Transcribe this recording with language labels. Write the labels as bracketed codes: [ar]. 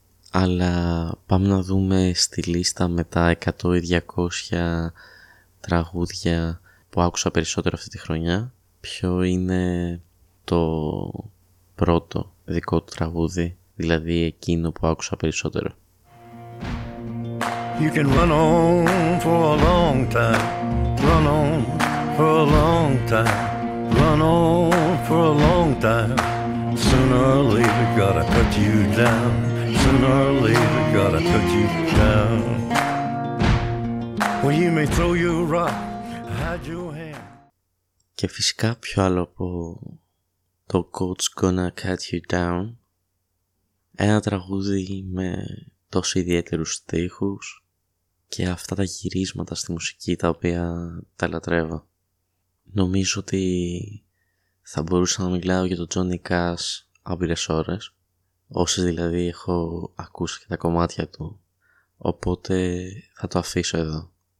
[el] Αλλά πάμε να δούμε στη λίστα με τα 100 ή 200 τραγούδια που άκουσα περισσότερο αυτή τη χρονιά, ποιο είναι το πρώτο δικό του τραγούδι, δηλαδή εκείνο που άκουσα περισσότερο. [en] You can run on for a long time, run on for a long time, run on for a long time. Sooner or later gotta cut you down, sooner or later gotta cut you down. Well, you may throw your rock, hide your hand. [el] Και φυσικά πιο άλλο από το «Coach Gonna Cut You Down», ένα τραγούδι με τόσο ιδιαίτερους στίχους και αυτά τα γυρίσματα στη μουσική τα οποία τα λατρεύω. Νομίζω ότι θα μπορούσα να μιλάω για τον Johnny Cash άπειρες ώρες, όσες δηλαδή έχω ακούσει και τα κομμάτια του, οπότε θα το αφήσω εδώ.